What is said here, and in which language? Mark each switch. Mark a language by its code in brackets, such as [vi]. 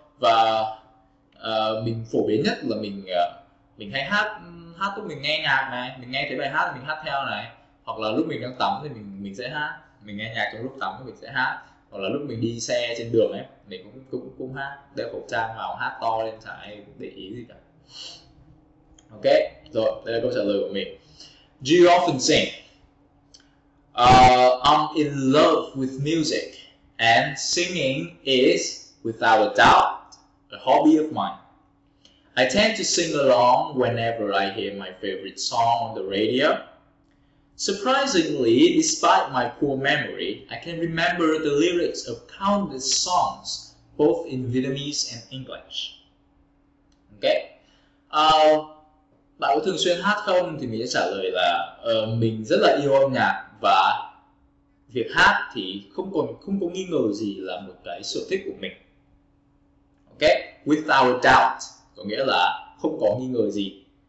[vi] Và mình phổ biến nhất là mình hay hát hát lúc mình nghe nhạc này, mình nghe thấy bài hát mình hát theo này, hoặc là lúc mình đang tắm thì mình sẽ hát, mình nghe nhạc trong lúc tắm thì mình sẽ hát, hoặc là lúc mình đi xe trên đường ấy mình cũng cũng cũng hát, đeo khẩu trang vào hát to lên chẳng ai để ý gì cả. Ok, rồi, đây là câu trả lời của mình. [en] Do you often sing? I'm in love with music, and singing is, without a doubt, a hobby of mine. I tend to sing along whenever I hear my favorite song on the radio. Surprisingly, despite my poor memory, I can remember the lyrics of countless songs, both in Vietnamese and English. Okay? [vi] Bạn có thường xuyên hát không? Thì mình sẽ trả lời là mình rất là yêu âm nhạc, và việc hát thì không có nghi ngờ gì là một cái sở thích của mình. Ok, [en] without a doubt [vi] có nghĩa là không có nghi ngờ gì.